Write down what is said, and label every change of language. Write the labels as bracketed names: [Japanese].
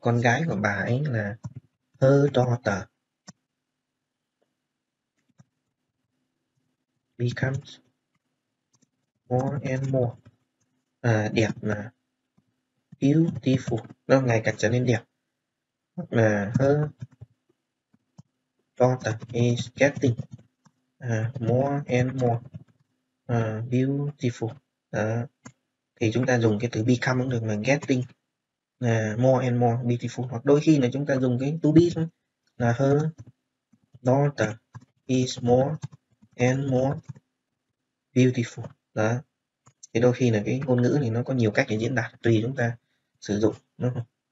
[Vietnamese] Con gái của bà ấy là [English] her daughter becomes more and more [Vietnamese] đẹp là beautiful, nó ngày càng trở nên đẹp. [English] Là her daughter is getting more and more beautiful. [Vietnamese] Đó. Thì chúng ta dùng cái từ become cũng được, mà [English] getting more and beautiful, [Vietnamese] hoặc đôi khi là chúng ta dùng cái to be thôi, là [English] her daughter is more and more beautiful. [Vietnamese] Đó. Thì đôi khi là cái ngôn ngữ thì nó có nhiều cách để diễn đạt, tùy chúng ta sử dụng, đúng không?